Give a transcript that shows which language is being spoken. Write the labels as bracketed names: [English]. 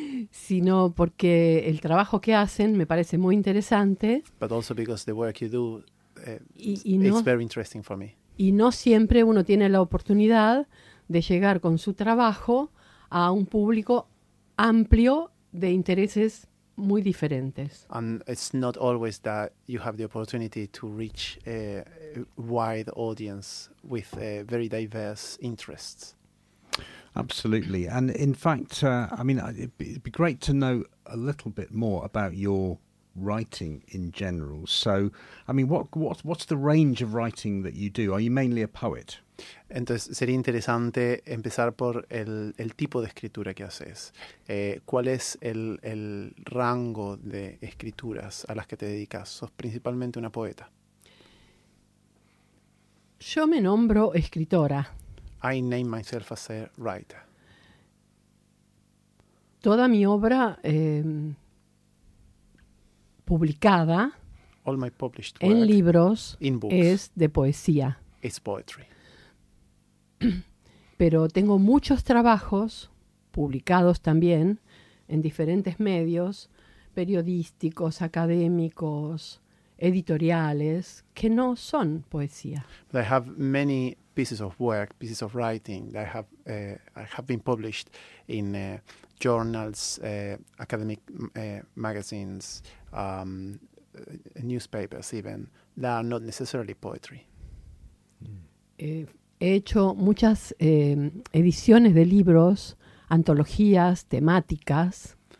[Spanish] Sino porque el trabajo que hacen me parece muy interesante. [English] But also because the work you do, it's very interesting for me. [Spanish] Y no siempre uno tiene la oportunidad de llegar con su trabajo a un público amplio de intereses muy diferentes. [English] And it's not always that you have the opportunity to reach a wide audience with very diverse interests. Absolutely. And in fact, it'd be great to know a little bit more about your writing in general. So, I mean, what's the range of writing that you do? Are you mainly a poet? [Spanish] Entonces sería interesante empezar por el tipo de escritura que haces. ¿Cuál es el rango de escrituras a las que te dedicas? ¿Sos principalmente una poeta? Yo me nombro escritora. [English] I name myself as a writer. [Spanish] Toda mi obra publicada [English] All my published work [Spanish] en libros [English] in books [Spanish] es de poesía. [English] It's poetry. [Spanish] Pero tengo muchos trabajos publicados también en diferentes medios, periodísticos, académicos, editoriales, que no son poesía. [English] I have many pieces of work, pieces of writing that have been published in journals, academic magazines, newspapers even, that are not necessarily poetry. [Spanish] He hecho muchas ediciones de libros, antologías, temáticas.